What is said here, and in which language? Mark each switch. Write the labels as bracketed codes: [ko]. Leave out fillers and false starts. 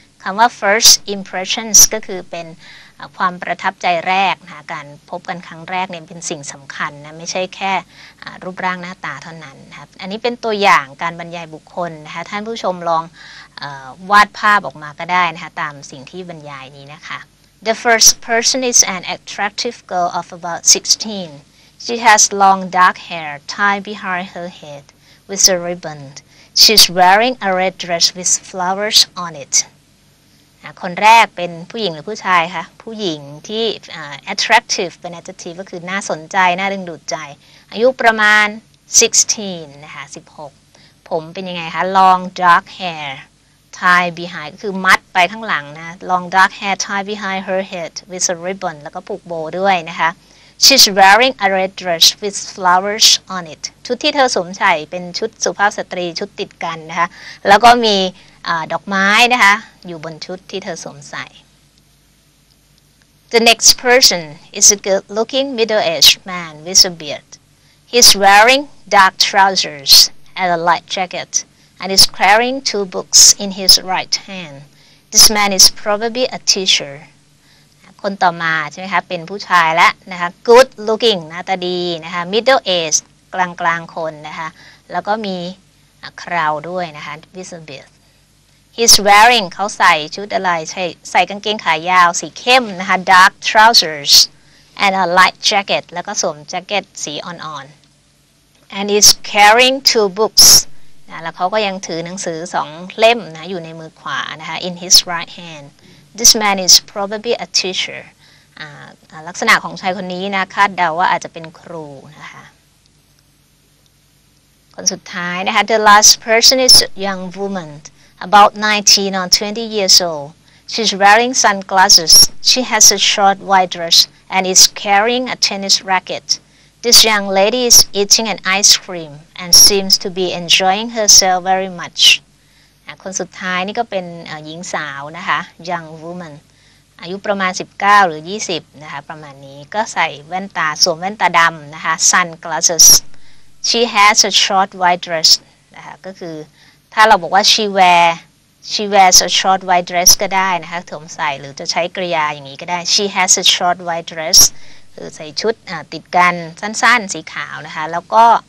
[th] คำว่า [en] first impressions [th] ก็คือเป็นความประทับใจแรกนะการพบกันครั้งแรกเนี่ยเป็นสิ่งสำคัญนะไม่ใช่แค่รูปร่างหน้าตาเท่านั้นนะอันนี้เป็นตัวอย่างการบรรยายบุคคลนะคะท่านผู้ชมลองวาดภาพออกมาก็ได้นะคะตามสิ่งที่บรรยายนี้นะคะ [en] The first person is an attractive girl of about 16. She has long dark hair tied behind her head with a ribbon. She's wearing a red dress with flowers on it. [th] คนแรกเป็นผู้หญิงหรือผู้ชายคะผู้หญิงที่ attractive เป็น adjective ก็คือน่าสนใจน่าดึงดูดใจอายุประมาณ 16 นะคะ 16 ผมเป็นยังไงคะ [en] long dark hair tie behind [th] ก็คือมัดไปข้างหลังนะ [en] long dark hair tie behind her head with a ribbon [th] แล้วก็ผูกโบด้วยนะคะ [en] she's wearing a red dress with flowers on it [th] ชุดที่เธอสวมใส่เป็นชุดสุภาพสตรีชุดติดกันนะคะแล้วก็มีดอกไม้นะคะอยู่บนชุดที่เธอสวมใส่ [en] The next person is a good-looking middle-aged man with a beard. He's wearing dark trousers and a light jacket, and is carrying two books in his right hand. This man is probably a teacher. [th] คนต่อมาใช่ไหมคะเป็นผู้ชายแล้วนะคะ [en] good-looking [th] หน้าตาดีนะคะ [en] middle-aged [th] กลางกลางคนนะคะแล้วก็มีคราวด้วยนะคะ [en] with a beard He's wearing [th] เขาใส่ชุดอะไรใส่กางเกงขายาวสีเข้มนะคะ [en] dark trousers and a light jacket [th] แล้วก็สวมแจ็คเก็ตสีอ่อนๆ [en] and is carrying two books [th] นะแล้วเขาก็ยังถือหนังสือ2เล่มนะอยู่ในมือขวานะคะ [en] in his right hand this man is probably a teacher [th] ลักษณะของชายคนนี้นะคาดเดาว่าอาจจะเป็นครูนะคะคนสุดท้ายนะคะ [en] the last person is a young womanAbout [th] 19 or 20 years old. [en] She's wearing sunglasses. She has a short white dress and is carrying a tennis racket. This young lady is eating an ice cream and seems to be enjoying herself very much. [th] คนสุดท้ายนี่ก็เป็นหญิงสาวนะคะ [en] young woman. [th] อายุประมาณ19หรือ20นะคะประมาณนี้ก็ใส่แว่นตาสวมแว่นตาดำนะคะ [en] sunglasses. She has a short white dress. [th] นะคะก็คือ ถ้าเราบอกว่า [en] she wears a short white dress [th] ก็ได้นะคะถมใส่หรือจะใช้กริยาอย่างนี้ก็ได้ [en] she has a short white dress [th] คือใส่ชุดติดกันสั้นๆ สีขาวนะคะแล้วก็